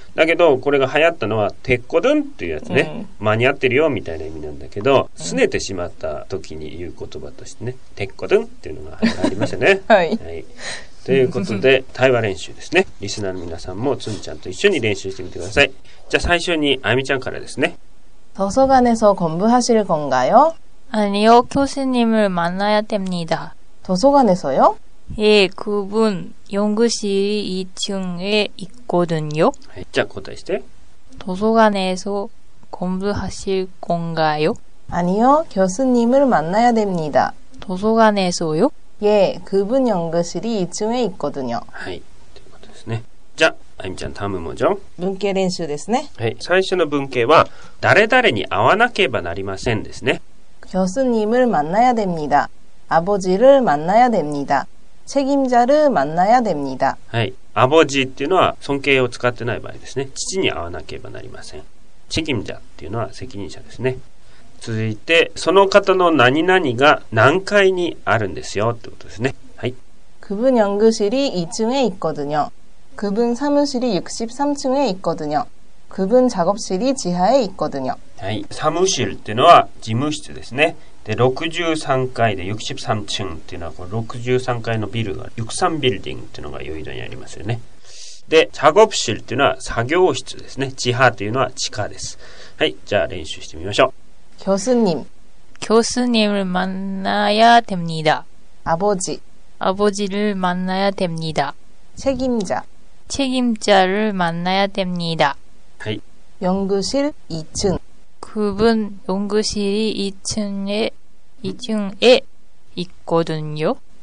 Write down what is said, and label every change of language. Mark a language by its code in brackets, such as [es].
[ja] だけどこれが流行ったのはてっこどんっていうやつね、うん、間に合ってるよみたいな意味なんだけど、拗ねてしまった時に言う言葉としてね、てっこどんっていうのがありましたね。はい、はい、ということで対話練習ですね。リスナーの皆さんもつんちゃんと一緒に練習してみてください。じゃあ最初にあゆみちゃんからですね。 [ko] 도서관에서공부하실건가요？ 아니요，교수님을만나야됩니다。 도서관에서요？ 예，그분연구실2층에있거든요。 [ja] じゃあ答えして。 [ko] 도서관에서공부하실건가요？ 아니요，교수님을만나야됩니다。 도서관에서요？ 예，그분연구실이2층에있거든요。 [ja] はい、ということですね。じゃあ。あゆみちゃん、タムモジョン。文型練習ですね。はい。最初の文型は、誰々に会わなければなりませんですね。 [ko] 교수님을만나야됩니다。 아버지를만나야됩니다。 책임자를만나야됩니다。 [ja] はい。 아버지っていうのは、尊敬を使ってない場合ですね。父に会わなければなりません。 책임자っていうのは、責任者ですね。続いて、その方の何々が何階にあるんですよってことですね。はい。 [ko] 그분연구실이2층에있거든요。 그분사무실이63층에있거든요。 그분작업실이지하에있거든요。 [ja] はい、사무실っていうのは事務室ですね。で、63階で63층っていうのは、この63階のビルが63ビルディングっていうのが여의도にありますよね。で、작업실っていうのは作業室ですね。지하というのは地下です。はい、じゃあ練習してみましょう。 [ko] 교수님、 교수님을만나야됩니다。 아버지、 아버지를만나야됩니다。 책임자、 책임자를만나야됩니다。 [ja] はい。 [ko] 연구실2층、 그분연구실이2층에있거든요。